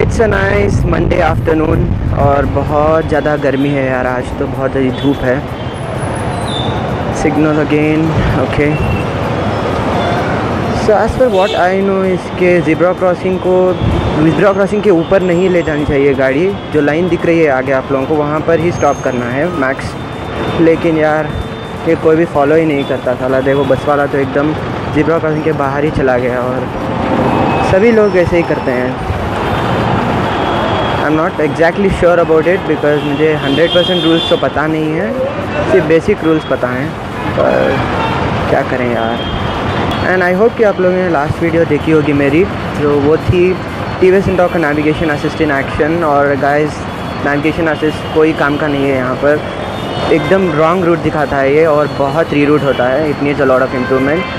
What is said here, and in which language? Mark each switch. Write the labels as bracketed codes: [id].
[en] It's a nice Monday afternoon. And it's very warm here. Today it's very hot. It's very hot. Signal again. Okay. So as per what I know, [hi] इसके zebra crossing को zebra crossing के ऊपर नहीं ले जानी चाहिए गाड़ी. जो line दिख रही है आगे आप लोगों को वहाँ पर ही stop करना है max. लेकिन यार ये कोई भी follow ही नहीं करता था. लाते वो बस वाला तो एकदम zebra crossing के बाहर ही चला गया और सभी लोग ऐसे ही करते हैं. [en] I'm not exactly sure about it because [hi] मुझे 100% rules तो पता नहीं है. सिर्फ basic rules पता हैं. पर क्या करें यार. [en] and I hope [hi] कि आप लोगों ने लास्ट वीडियो देखी होगी मेरी, जो वो थी टीवीएस इंडोर का नेविगेशन असिस्ट इन एक्शन. और गाइस नेविगेशन असिस्ट कोई काम का नहीं है यहाँ पर. एकदम रॉन्ग रूट दिखाता है ये और बहुत रीरूट होता है. इतनी [en] Is a lot of improvement.